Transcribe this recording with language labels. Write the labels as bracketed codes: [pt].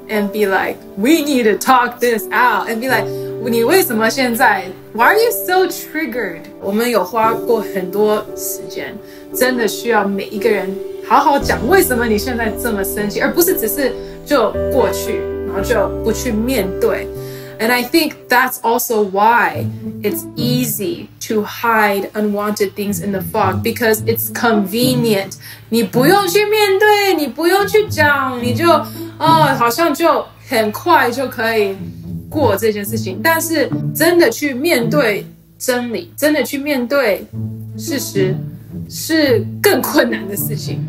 [en] And be like, we need to talk this out. And be like, [zh] 你为什么现在 [en] Why are you so triggered? [zh] 我们有花过很多时间，真的需要每一个人好好讲为什么你现在这么生气，而不是只是就过去，然后就不去面对。 [en] And I think that's also why it's easy to hide unwanted things in the fog because it's convenient. [zh] 你不用去面对，你不用去讲，你就好像就很快就可以过这件事情。但是真的去面对真理，真的去面对事实，是更困难的事情。